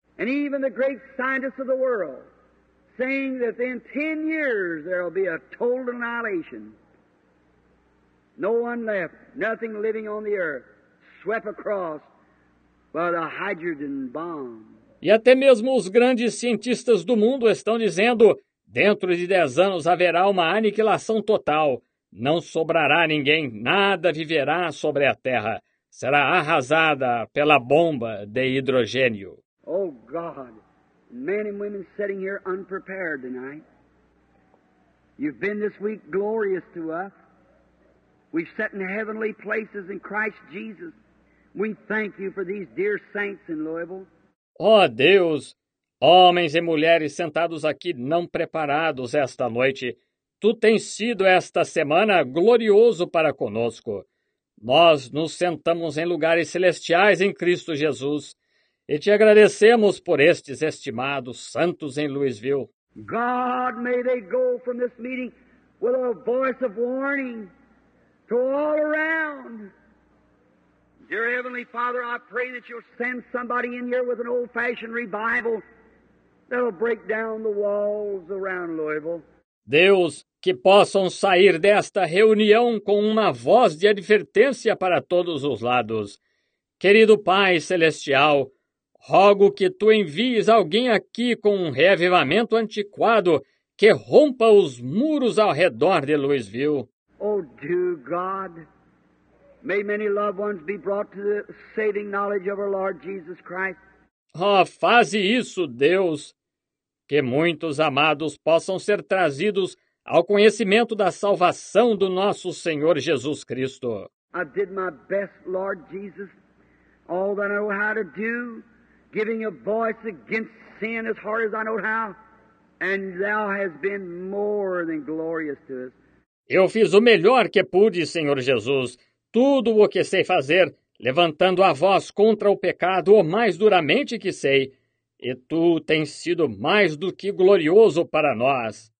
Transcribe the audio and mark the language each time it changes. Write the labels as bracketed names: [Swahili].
[English] And even the great scientists of the world, saying that in 10 years there will be a total annihilation. No one left, nothing living on the earth, swept across But a hydrogen bomb. [Portuguese] E até mesmo os grandes cientistas do mundo estão dizendo: dentro de 10 anos haverá uma aniquilação total. Não sobrará ninguém, nada viverá sobre a Terra. Será arrasada pela bomba de hidrogênio. [English] Oh, God, men and women sitting here unprepared tonight. You've been this week glorious to us. We've sat in heavenly places in Christ Jesus. We thank you for these dear saints in Louisville. [Portuguese] Oh, Deus, homens e mulheres sentados aqui não preparados esta noite, tu tens sido esta semana glorioso para conosco. Nós nos sentamos em lugares celestiais em Cristo Jesus e te agradecemos por estes estimados santos em Louisville. [English] God, may they go from this meeting with a voice of warning to all around. Dear Heavenly Father, I pray that you'll send somebody in here with an old-fashioned revival that'll break down the walls around Louisville. [Portuguese] Deus, que possam sair desta reunião com uma voz de advertência para todos os lados. Querido Pai Celestial, rogo que tu envies alguém aqui com um reavivamento antiquado que rompa os muros ao redor de Louisville. [English] Oh, dear God, may many loved ones be brought to the saving knowledge of our Lord Jesus Christ. [Portuguese] Oh, faze isso, Deus, que muitos amados possam ser trazidos ao conhecimento da salvação do nosso Senhor Jesus Cristo. [English] I did my best, Lord Jesus, all that I know how to do, giving a voice against sin as hard as I know how, and thou hast been more than glorious to us. [Portuguese] Eu fiz o melhor que pude, Senhor Jesus, tudo o que sei fazer, levantando a voz contra o pecado o mais duramente que sei, e tu tens sido mais do que glorioso para nós.